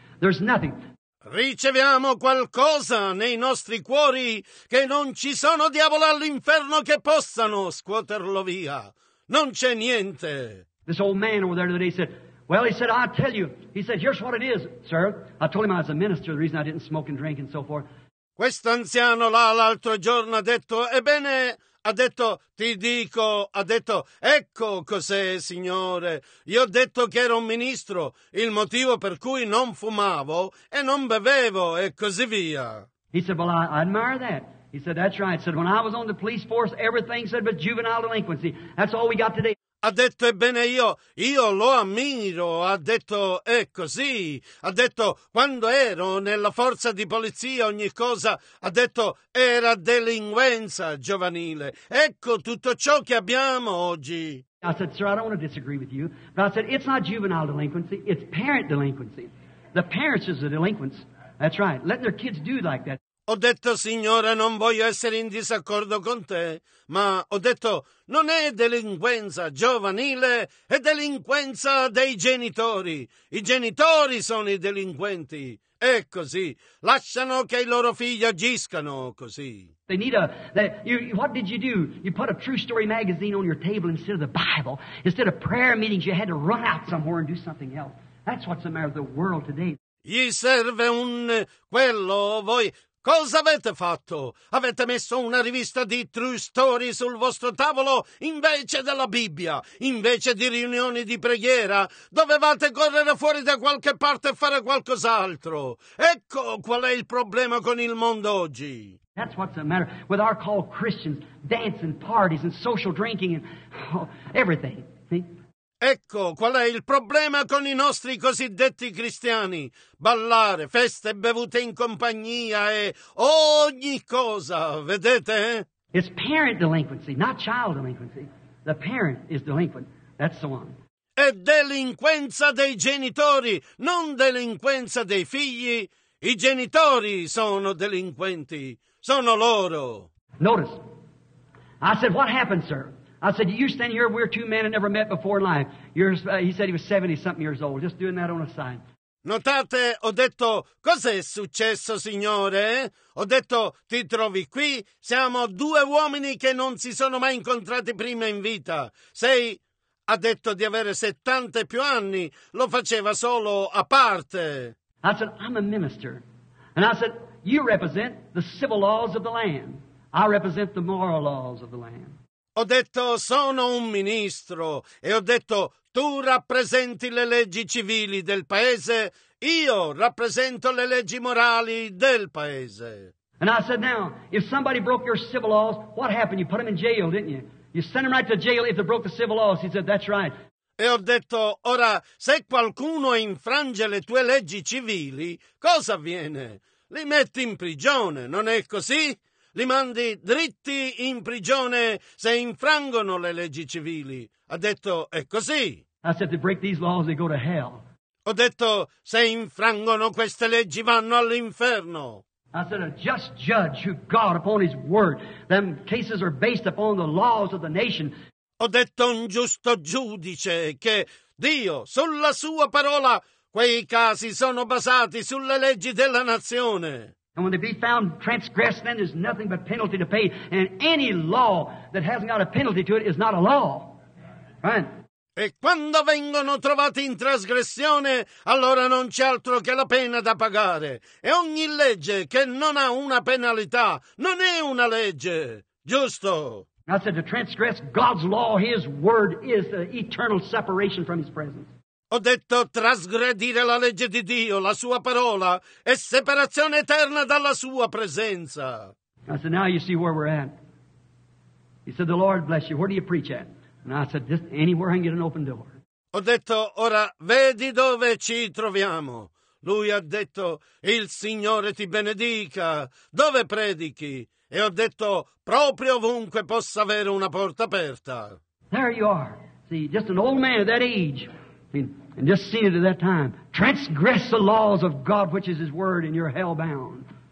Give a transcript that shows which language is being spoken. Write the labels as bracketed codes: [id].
[en] There's nothing. [it] Riceviamo qualcosa nei nostri cuori che non ci sono diavoli all'inferno che possano scuoterlo via. Non c'è niente. [en] This old man over there today said, well, he said, I'll tell you. He said, here's what it is, sir. I told him I was a minister, the reason I didn't smoke and drink and so forth. [it] Questo anziano là l'altro giorno ha detto, ebbene, ha detto, ti dico, ha detto, ecco cos'è, Signore. Io ho detto che ero un ministro, il motivo per cui non fumavo e non bevevo e così via. [en] He said, well, I admire that. He said, that's right. He said, when I was on the police force, everything said but juvenile delinquency. That's all we got today. [it] Ha detto, ebbene io lo ammiro, ha detto, è così, ha detto, quando ero nella forza di polizia ogni cosa, ha detto, era delinquenza giovanile, ecco tutto ciò che abbiamo oggi. [en] I said, sir, I don't want to disagree with you, but I said, it's not juvenile delinquency, it's parent delinquency. The parents is the delinquents, that's right, letting their kids do like that. [it] Ho detto, Signore, non voglio essere in disaccordo con te, ma ho detto, non è delinquenza giovanile, è delinquenza dei genitori. I genitori sono i delinquenti, è così. Lasciano che i loro figli agiscano così. [en] They need a. They, you, what did you do? You put a True Story magazine on your table instead of the Bible. Instead of prayer meetings, you had to run out somewhere and do something else. That's what's the matter with the world today. [it] Gli serve un quello, voi. Cosa avete fatto? Avete messo una rivista di True Story sul vostro tavolo invece della Bibbia, invece di riunioni di preghiera? Dovevate correre fuori da qualche parte e fare qualcos'altro. Ecco qual è il problema con il mondo oggi. [en] That's what's the matter with our call Christians, dance and parties and social drinking and everything. See? [it] Ecco qual è il problema con i nostri cosiddetti cristiani. Ballare, feste, bevute in compagnia e ogni cosa, vedete? [en] It's parent delinquency, not child delinquency. The parent is delinquent. That's the one. [it] È delinquenza dei genitori, non delinquenza dei figli. I genitori sono delinquenti. Sono loro. [en] Notice. I said, what happened, sir? I said, you stand here, we're two men I never met before in life. He said he was 70-something years old, just doing that on a side. [it] Notate, ho detto, cos'è successo, signore? Ho detto, ti trovi qui, siamo due uomini che non si sono mai incontrati prima in vita. Sei, ha detto di avere 70 e più anni, lo faceva solo a parte. [en] I said, I'm a minister. And I said, you represent the civil laws of the land. I represent the moral laws of the land. [it] Ho detto, sono un ministro, e ho detto, tu rappresenti le leggi civili del paese, io rappresento le leggi morali del paese. [en] And I said, now, if somebody broke your civil laws, what happened? You put them in jail, didn't you? You sent them right to jail if they broke the civil laws. He said, that's right. [it] E ho detto, ora, se qualcuno infrange le tue leggi civili, cosa avviene? Li metti in prigione, non è così? Li mandi dritti in prigione se infrangono le leggi civili. Ha detto, è così. [en] I said, they break these laws, they go to hell. [it] Ho detto, se infrangono queste leggi vanno all'inferno. [en] I said, a just judge who God upon his word. Them cases are based upon the laws of the nation. [it] Ho detto, un giusto giudice che Dio, sulla sua parola, quei casi sono basati sulle leggi della nazione. [en] And when they be found transgressed, then there's nothing but penalty to pay. And any law that hasn't got a penalty to it is not a law. Right? [it] E quando vengono trovati in trasgressione, allora non c'è altro che la pena da pagare. E ogni legge che non ha una penalità non è una legge. Giusto? [en] I said to transgress God's law, His word, is the eternal separation from His presence. [it] Ho detto, trasgredire la legge di Dio, la sua parola, è separazione eterna dalla sua presenza. [en] I said, now you see where we're at. He said, the Lord bless you. Where do you preach at? And I said, just anywhere I can get an open door. [it] Ho detto, ora vedi dove ci troviamo. Lui ha detto, il Signore ti benedica. Dove predichi? E ho detto, proprio ovunque possa avere una porta aperta. [en] There you are. See, just an old man of that age. And just seen it at that time. Transgress the laws of God, which is His word, and you're hell bound.